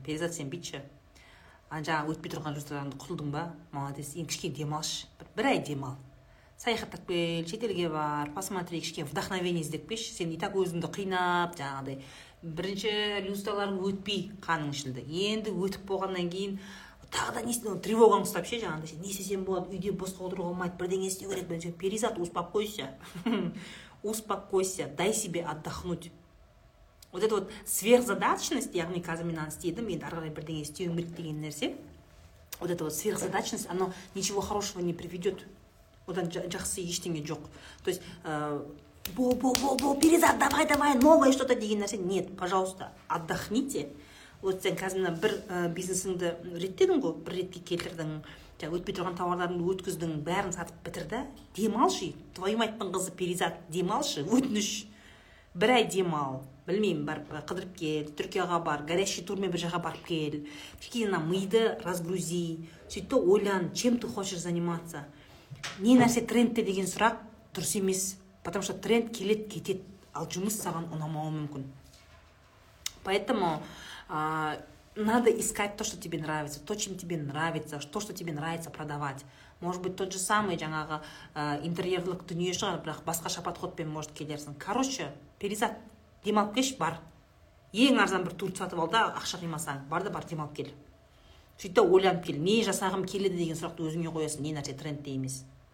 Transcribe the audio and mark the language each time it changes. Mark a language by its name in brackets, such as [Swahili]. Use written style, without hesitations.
[Kazakh] Перизат, сен бүйтші, жаңа өтпей тұрған люстраларыңды құтылдың ба, молодец, енді кішкене демалшы, бір ай демал, саяхаттап кел, шетелге бар, посмотри, кішкене вдохновение іздеп келші. Сен и так өзіңді қинап жаңағыдай бірінші люстраларың өтпей қаның ішілді, енді өтіп болғаннан кейін тағы да несі тревогаң ұстап ше жаңағыдай, сен не істесем болады, үйде босқа отыруға болмайды, бірдеңе істеу керек. [Russian] Перизат, успокойся, успокойся, дай себе отдохнуть. Вот эта вот сверхзадачность, [Kazakh] яғни қазір мен ана істедім, енді ары қарай бірдеңе істеуім керек деген нәрсе, [Russian] вот эта вот сверхзадачность, оно ничего хорошего не приведет. [Kazakh] Одан жақсы ештеңе жоқ. [Russian] То есть Перизат, давай давай новое что то [Kazakh] деген нәрсе, [Russian] нет, пожалуйста, отдохните. [Kazakh] Вот сен қазір мына бір бизнесіңді реттедің ғой, бір ретке келтірдің, жаңағы өтпей тұрған тауарларыңды өткіздің, бәрін сатып бітірді, демалшы. [Russian] Твою мать- [Kazakh] тың қызы Перизат, демалшы, өтініш. Бір ай демал, білмеймін, барып қыдырып кел, түркияға бар, горящий турмен бір жаққа барып кел, кішкене ана миды разгрузи, сөйтіп те ойлан, [Russian] чем ты хочешь заниматься, [Kazakh] не нәрсе трендте деген сұрақ дұрыс емес, [Russian] потому что [Kazakh] тренд келеді кетеді, ал жұмыс саған ұнамауы мүмкін. [Russian] Поэтому надо искать то, что тебе нравится, то, чем тебе нравится, то, что тебе нравится продавать. Может быть, тот же самый [Kazakh] жаңағы интерьерлік дүние шығар, бірақ басқаша подходпен может келерсің. Короче, Перизат, демалып келші, бар. Ең арзан бір турт сатып ал да ақша қимасаң, бар да бар, демалып кел. Сөйтіп ойланып кел, не жасағым келеді деген сұрақты өзіңе қоясың, не нәрсе трендте емес.